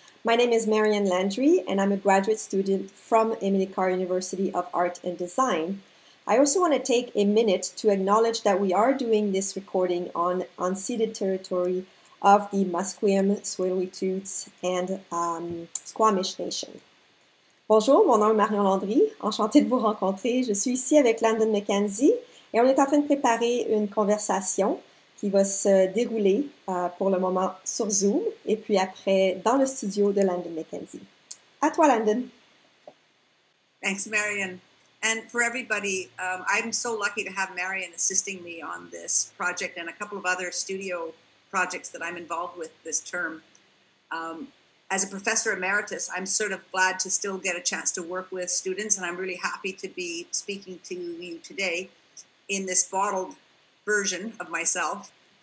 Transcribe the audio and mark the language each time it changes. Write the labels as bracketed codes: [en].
[en] My name is Marilyn Landry, and I'm a graduate student from Emily Carr University of Art and Design. I also want to take a minute to acknowledge that we are doing this recording on unceded territory of the Musqueam, Tsleil-Waututh, and Squamish Nation. [fr] Bonjour, mon nom est Marion Landry. Enchantée de vous rencontrer. Je suis ici avec Landon Mackenzie et on est en train de préparer une conversation qui va se dérouler pour le moment sur Zoom et puis après dans le studio de Landon Mackenzie. À toi, Landon. [en] Thanks, Marion. And for everybody, I'm so lucky to have Marion assisting me on this project and a couple of other studio projects that I'm involved with this term. As a professor emeritus, I'm sort of glad to still get a chance to work with students, and I'm really happy to be speaking to you today in this bottled version of myself.